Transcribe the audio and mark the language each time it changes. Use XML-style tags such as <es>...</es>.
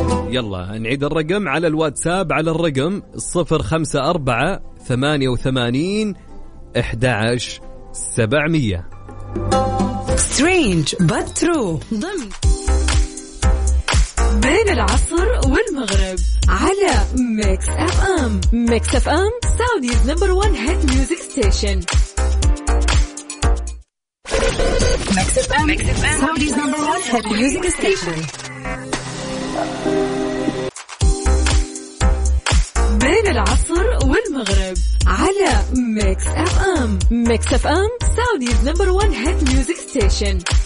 <ar>يلا نعيد الرقم على الواتساب على الرقم 054-88-11700.</ar> <en>Strange but true.</en> <ar>ضمن بين العصر والمغرب على Mix FM.</ar> <en>Mix FM Saudi's number one hit music station. Mix FM Saudi's number one hit music station.</en> <ar>بين العصر والمغرب على Mix FM.</ar> <en>Mix FM Saudi's number one hit music station.</en>